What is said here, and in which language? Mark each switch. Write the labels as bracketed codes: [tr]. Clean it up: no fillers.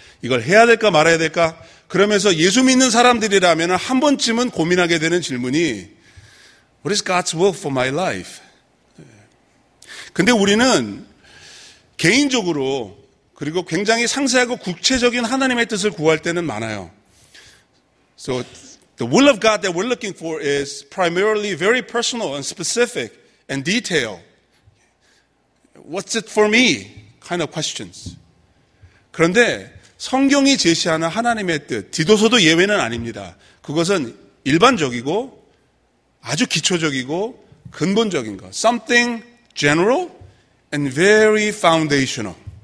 [ko] 이걸 해야 될까 말아야 될까? 그러면서 예수 믿는 사람들이라면 한 번쯤은 고민하게 되는 질문이 [en] What is God's will for my life? [ko] 근데 우리는 개인적으로 그리고 굉장히 상세하고 구체적인 하나님의 뜻을 구할 때는 많아요. [en] So the will of God that we're looking for is primarily very personal and specific and detailed. What's it for me? kind of questions. [ko] 그런데 성경이 제시하는 하나님의 뜻, 디도서도 예외는 아닙니다. 그것은 일반적이고 아주 기초적이고 근본적인 것. [en] Something general and very foundational.